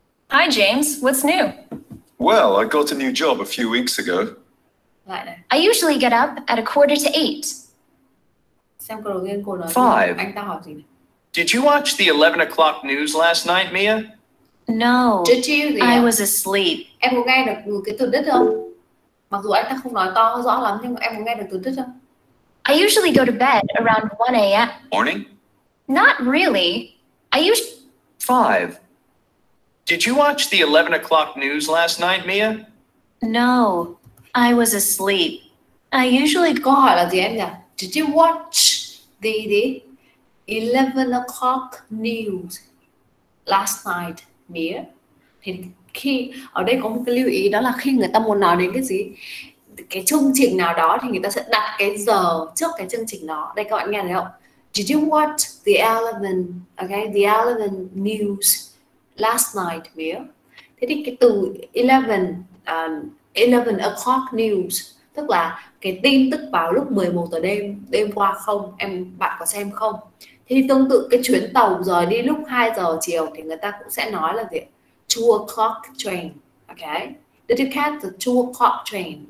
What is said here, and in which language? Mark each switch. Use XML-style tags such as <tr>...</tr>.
<en>Hi, James. What's new? Well, I got a new job a few weeks ago. I usually get up at a quarter to 8. 5. Did you watch the 11 o'clock news last night, Mia? No. Did you? I was asleep.</en> <vi>Em có nghe được cái từ đứt không? Mặc dù anh ta không nói to rõ lắm nhưng em có nghe được từ đứt không?</vi> <en>I usually go to bed around 1 a.m. Morning? Not really. 5. Did you watch the 11 o'clock news last night, Mia? No. I was asleep. I usually go out at the end. Did you watch the 11 o'clock news last night, Mia?</en> <vi>Thì khi ở đây có một cái lưu ý đó là khi người ta muốn nói đến cái gì, cái chương trình nào đó thì người ta sẽ đặt cái giờ trước cái chương trình đó. Đây các bạn nghe thấy không?</vi> <en>Did you watch the 11, okay, the 11 news last night, Mia?</en> <vi>Thế thì cái từ</vi> <en>11 o'clock news,</en> <vi>tức là cái tin tức vào lúc 11 giờ đêm qua không? Em bạn có xem không? Thì tương tự cái chuyến tàu rời đi lúc 2 giờ chiều thì người ta cũng sẽ nói là gì?</vi> <en>2 o'clock train, okay? Did you catch the 2 o'clock train?</en>